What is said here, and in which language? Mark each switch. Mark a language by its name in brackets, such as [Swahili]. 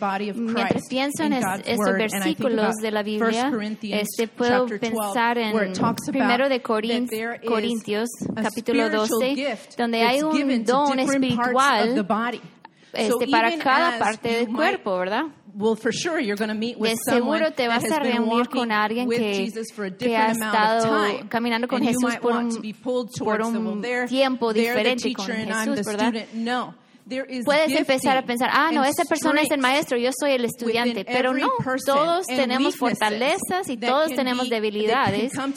[Spanish] Mientras pienso en estos versículos de la Biblia, puedo pensar en 1 Corintios, capítulo 12, donde hay un don espiritual para cada parte del cuerpo, ¿verdad? [English] Well, for sure, you're going to meet with someone. [Spanish] De seguro te vas a reunir con alguien que ha estado caminando con Jesús por un tiempo diferente con Jesús, ¿verdad? No. Puedes empezar a pensar, ah, no, esa persona es el maestro, yo soy el estudiante. Pero no, todos tenemos fortalezas y todos tenemos debilidades.